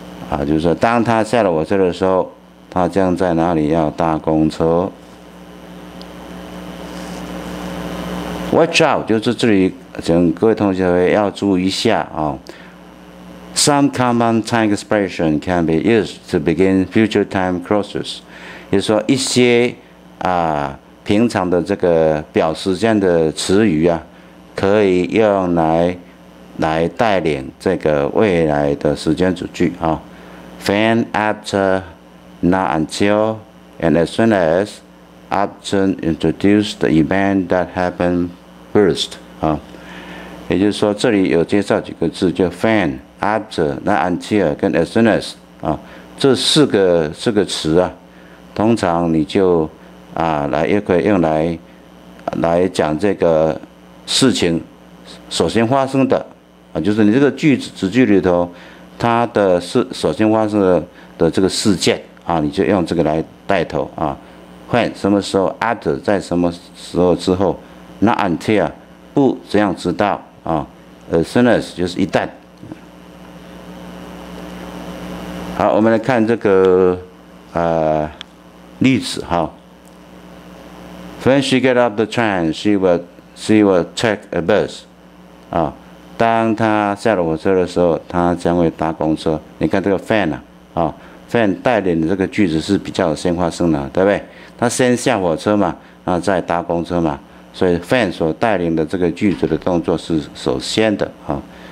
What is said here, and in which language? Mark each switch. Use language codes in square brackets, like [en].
[zh] 啊，就是说，当他下了火车的时候，他将在哪里要搭公车 ？ [en] Watch out， [zh] 就是这里，请各位同学要注意一下啊。 [en] Some common time expression can be used to begin future time clauses. [zh] 就是说一些平常的这个表时间的词语啊，可以用来带领这个未来的时间主句啊。 [en] When, after, not until, and as soon as, often introduce the event that happened first. [zh] 啊，也就是说这里有介绍几个字，叫 when。 [en] After, not until, [zh] 跟 [en] as soon as [zh] 啊，这四个词啊，通常你就来也可以用来讲这个事情首先发生的啊，就是你这个句子子句里头它的是首先发生的这个事件啊，你就用这个来带头啊。 When 什么时候 ？After 在什么时候之后 ？ [en] Not until [zh] 不这样知道啊 ， [en] as soon as [zh] 就是一旦。好，我们来看这个例子哈。 [en] When she get off the train, she will take a bus. [zh] 啊，当她下了火车的时候，她将会搭公车。你看这个 when 啊 ，when 带领的这个句子是比较先发生的，对不对？她先下火车嘛，然后再搭公车嘛，所以 when 所带领的这个句子的动作是首先的啊。